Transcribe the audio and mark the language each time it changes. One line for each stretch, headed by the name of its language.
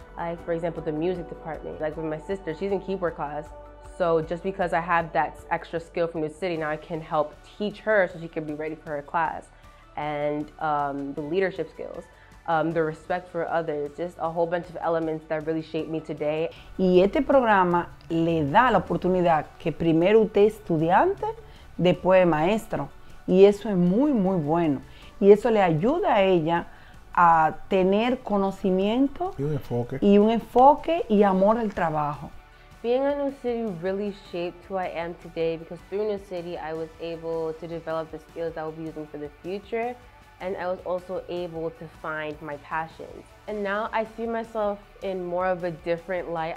English: Like for example, the music department. Like with my sister, she's in keyboard class. So just because I have that extra skill from the city, now I can help teach her so she can be ready for her class. And the leadership skills. The respect for others, just a whole bunch of elements that really shaped me today.
Spanish: Y este programa le da la oportunidad que primero usted es estudiante, después maestro. Y eso es muy, muy bueno. Y eso le ayuda a ella a tener conocimiento y un enfoque y, un enfoque y amor al trabajo.
English: Being in New City really shaped who I am today because through New City, I was able to develop the skills I will be using for the future. And I was also able to find my passions. And now I see myself in more of a different light.